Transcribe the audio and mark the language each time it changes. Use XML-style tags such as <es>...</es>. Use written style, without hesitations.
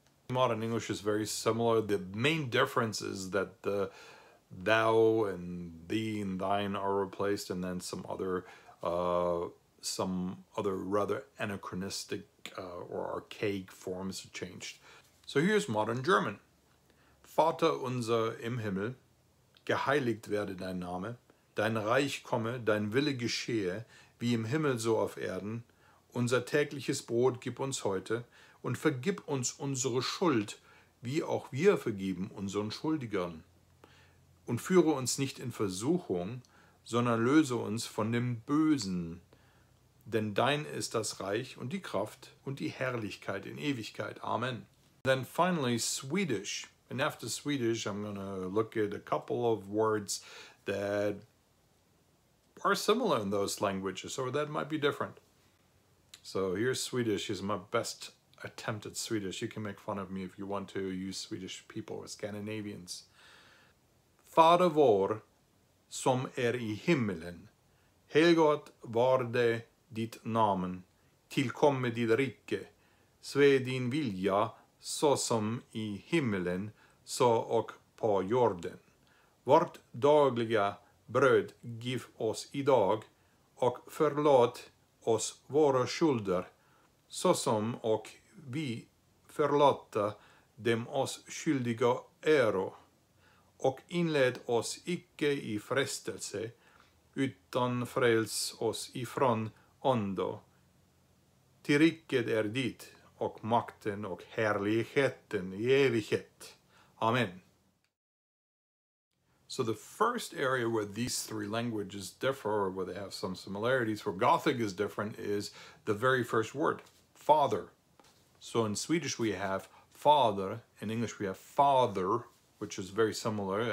<en>Modern English is very similar. The main difference is that the thou and thee and thine are replaced, and then some other rather anachronistic or archaic forms have changed. So here's modern German.</en> <de>Vater unser im Himmel, geheiligt werde dein Name, dein Reich komme, dein Wille geschehe, wie im Himmel so auf Erden. Unser tägliches Brot gib uns heute, und vergib uns unsere Schuld, wie auch wir vergeben unseren Schuldigern. Und führe uns nicht in Versuchung, sondern löse uns von dem Bösen. Denn dein ist das Reich und die Kraft und die Herrlichkeit in Ewigkeit.</de> <en>Amen. Then finally, Swedish. And after Swedish, I'm going to look at a couple of words that are similar in those languages, or that might be different. So here's Swedish. Here's my best attempt at Swedish. You can make fun of me if you want to use Swedish people or Scandinavians.</en> <sv>Far vår som i himmelen, helgat var det ditt namn, tillkomme ditt rike, sve din vilja så som i himmelen, så och på jorden. Vårt dagliga bröd giv oss idag och förlåt oss våra skulder, så som och vi förlåta dem oss skyldiga äro, och inled oss icke i frestelse, utan fräls oss ifrån ondo. Till riket är dit, och makten och härligheten i evighet. Amen.</sv> <en>So the first area where these three languages differ, or where they have some similarities, where Gothic is different, is the very first word, father. So in Swedish we have father, in English we have father, which is very similar.</en>